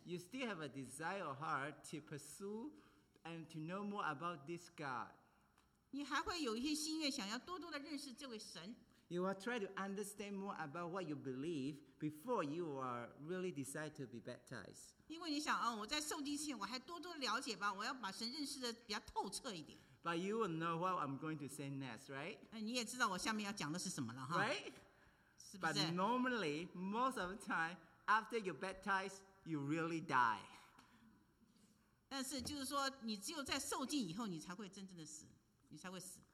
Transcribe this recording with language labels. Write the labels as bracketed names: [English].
[English] you still have a desire or heart to pursue and to know more about this God. [Chinese] 你还会有一些心愿想要多多的认识这位神。 [English] You will try to understand more about what you believe before you are really decide to be baptized. [Chinese] 因为你想，我在受浸之前，我还多多了解吧，我要把神认识的比较透彻一点。 [English] But you will know what I'm going to say next, right? [Chinese] 你也知道我下面要讲的是什么了，哈。 [English] Right? [Chinese] 是不是？ [English] But normally, most of the time, after you baptize, you really die. [Chinese] 但是就是说，你只有在受浸以后，你才会真正的死，你才会死。